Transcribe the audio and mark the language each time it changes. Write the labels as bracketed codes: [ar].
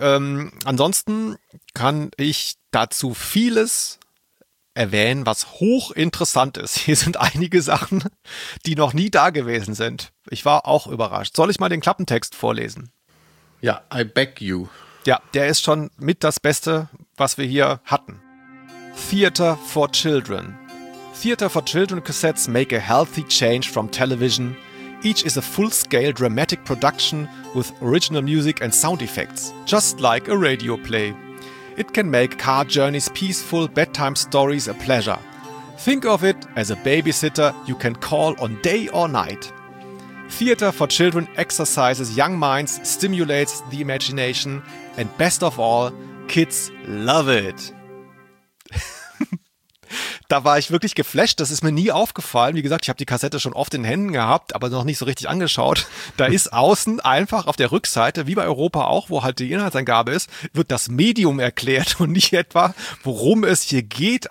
[de] Ansonsten kann ich dazu vieles erwähnen, was hochinteressant ist. Hier sind einige Sachen, die noch nie da gewesen sind. Ich war auch überrascht. Soll ich mal den Klappentext vorlesen? [en] Ja, I beg you. [de] Ja, der ist schon mit das Beste, was wir hier hatten. [en] Theater for Children. Theater for Children Cassettes make a healthy change from television. Each is a full-scale dramatic production with original music and sound effects, just like a radio play. It can make car journeys peaceful, bedtime stories a pleasure. Think of it as a babysitter you can call on day or night. Theater for Children exercises young minds, stimulates the imagination, and best of all, kids love it. [de] Da war ich wirklich geflasht, das ist mir nie aufgefallen. Wie gesagt, ich habe die Kassette schon oft in Händen gehabt, aber noch nicht so richtig angeschaut. Da ist außen einfach auf der Rückseite, wie bei Europa auch, wo halt die Inhaltsangabe ist, wird das Medium erklärt und nicht etwa, worum es hier geht.